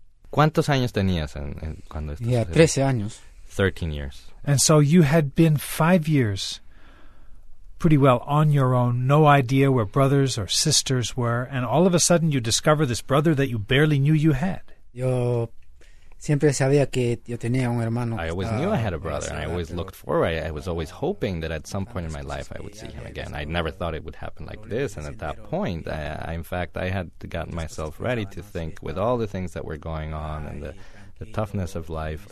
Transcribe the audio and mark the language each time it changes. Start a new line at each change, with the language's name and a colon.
Spanish: ¿Cuántos años tenías en cuando esto sucedió? 13 años.
English: 13 years. And so you had been 5 years pretty well on your own, no idea where brothers or sisters were, and all of a sudden you discover this brother that you barely knew you had.
Spanish: Yo siempre sabía que yo tenía un hermano.
English: I always knew I had a brother, and I always looked forward. I was always hoping that at some point in my life I would see him again. I never thought it would happen like this, and at that point, I had gotten myself ready to think with all the things that were going on and the toughness of life.